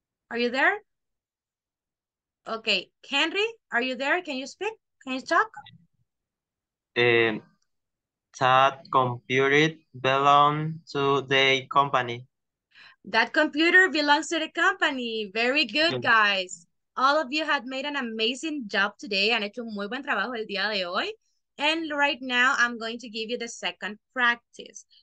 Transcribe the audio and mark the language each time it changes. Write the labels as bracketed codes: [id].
[en] Are you there? Okay, Henry, are you there? Can you speak? Can you talk? That computer belongs to the company. That computer belongs to the company. Very good, guys. All of you had made an amazing job today. [es] Han hecho un muy buen trabajo el día de hoy. [en] And right now, I'm going to give you the second practice.